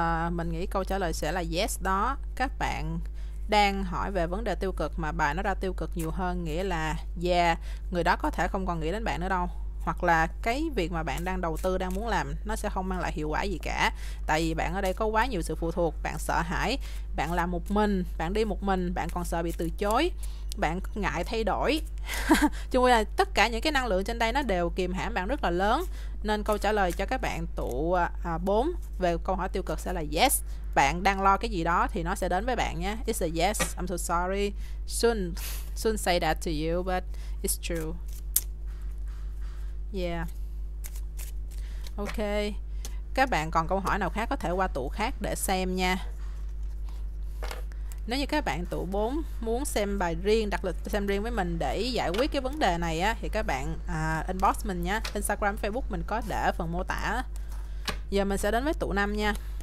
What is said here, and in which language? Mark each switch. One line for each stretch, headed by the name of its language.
Vietnamese: Mình nghĩ câu trả lời sẽ là yes đó. Các bạn đang hỏi về vấn đề tiêu cực mà bài nó ra tiêu cực nhiều hơn, nghĩa là người đó có thể không còn nghĩ đến bạn nữa đâu, hoặc là cái việc mà bạn đang đầu tư, đang muốn làm nó sẽ không mang lại hiệu quả gì cả, tại vì bạn ở đây có quá nhiều sự phụ thuộc, bạn sợ hãi, bạn làm một mình, bạn đi một mình, bạn còn sợ bị từ chối, bạn ngại thay đổi. Chung là tất cả những cái năng lượng trên đây nó đều kìm hãm bạn rất là lớn, nên câu trả lời cho các bạn tụ 4 về câu hỏi tiêu cực sẽ là yes. Bạn đang lo cái gì đó thì nó sẽ đến với bạn nhé.
English: It's a yes. I'm so sorry. Soon say that to you, but it's true. Yeah. Okay.
Vietnamese: Các bạn còn câu hỏi nào khác có thể qua tụ khác để xem nha. Nếu như các bạn tụ 4 muốn xem bài riêng, đặt lịch xem riêng với mình để giải quyết cái vấn đề này á, thì các bạn inbox mình nha. Instagram, Facebook mình có để phần mô tả. Giờ mình sẽ đến với tụ 5 nha.